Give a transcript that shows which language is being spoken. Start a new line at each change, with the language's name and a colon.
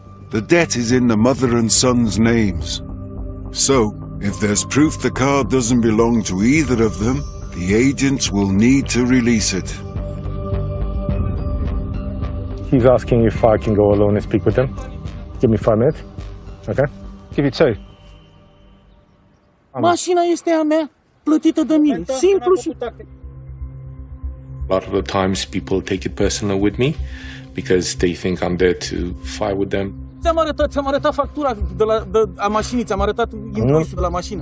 English: The debt is in the mother and son's names. So, if there's proof the car doesn't belong to either of them, the agents will need to release it. He's asking if I can go alone and speak with him. Give me 5 minutes. Okay? Give you two.
Romanian: Machina este a mea, plătită de mine. Simplu și...
English: A lot of the times people take it personal with me because they think I'm there to fight with them.
Romanian: Ți-am arătat factura de la a mașinii, ți-am arătat invoice-ul de la mașină.